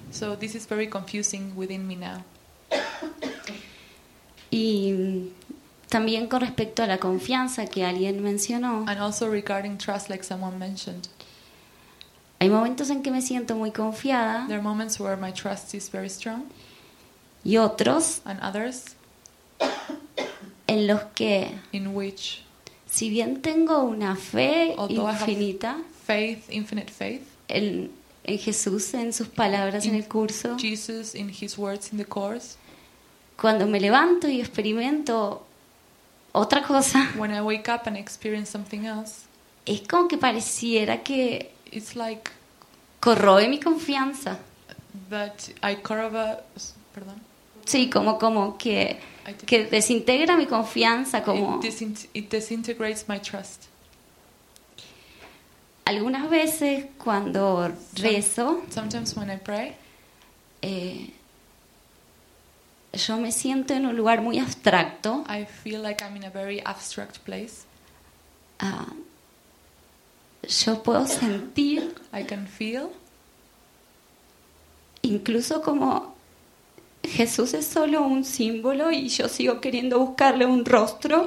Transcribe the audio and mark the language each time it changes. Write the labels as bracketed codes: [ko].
[en] So this is very confusing within me now. [es] Y también con respecto a la confianza que alguien mencionó. [en] And also regarding trust, like someone mentioned. [es] Hay momentos en que me siento muy confiada. [en] There are moments where my trust is very strong. [es] Y otros. [en] And others. [es] En los que. [en] In which. [es] Si bien tengo una fe infinita. [en] Faith, infinite faith. [es] En Jesús, en sus palabras, en el curso. [en] Jesus, in his words, in the course. [es] Cuando me levanto y experimento otra cosa. [en] When I wake up and experience something else. [es] Es como que pareciera que. [en] It's like. [es] Corroe mi confianza. [en] That I corrobe. [es] Perdón. Sí, como que desintegra mi confianza, como. [en] It disintegrates my trust. [es] Algunas veces cuando rezo, [en] sometimes when I pray, [es] yo me siento en un lugar muy abstracto. [en] I feel like I'm in a very abstract place. [es] Yo puedo sentir, [en] I can feel, [es] incluso como Jesús es solo un símbolo y yo sigo queriendo buscarle un rostro.